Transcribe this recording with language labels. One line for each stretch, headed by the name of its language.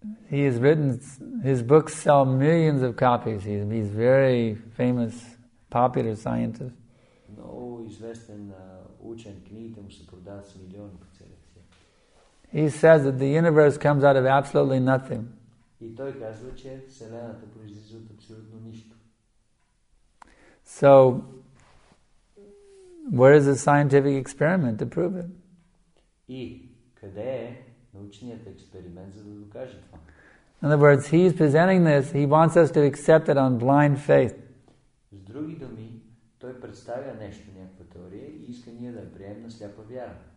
English: He has written, his books sell millions of copies. He's a very famous, popular scientist. He says that the universe comes out of absolutely nothing.
Bulgarian: И той казва, че Вселената произлиза от абсолютно нищо.
English: So, where is the scientific experiment to prove it?
Bulgarian: И къде е научният експеримент, за да докаже това?
English: In other words, he's presenting this, he wants us to accept it on blind faith.
Bulgarian: С други думи, той представя нещо, някаква теория и иска ние да я приемем на сляпа вяра.